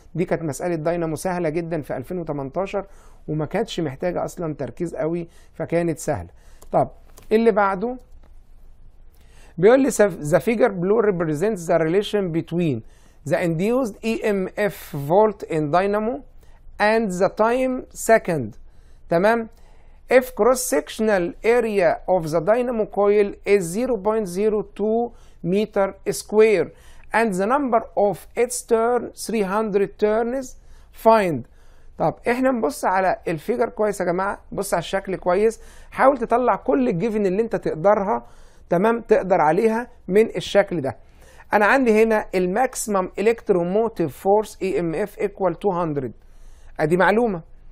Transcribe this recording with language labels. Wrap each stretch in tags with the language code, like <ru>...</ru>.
<ar>دي كانت مساله داينامو سهله جدا في 2018 وما كانتش محتاجه اصلا تركيز قوي فكانت سهله. طب اللي بعده بيقول لي</ar> <en>The figure below represent the relation between the induced EMF volt in dynamo and the time second.</en> <ar>تمام.</ar> <en>If cross sectional area of the dynamo coil is 0.02 meter square and the number of its turn 300 turns find.</en> <ar>طب احنا نبص على الفيجر كويس يا جماعة، بص على الشكل كويس، حاول تطلع كل الجيفن اللي انت تقدرها، تمام، تقدر عليها من الشكل ده. انا عندي هنا</ar> <en>الماكسيمم electromotive force E M F equal 200،</en> <ar>ادي معلومه.</ar>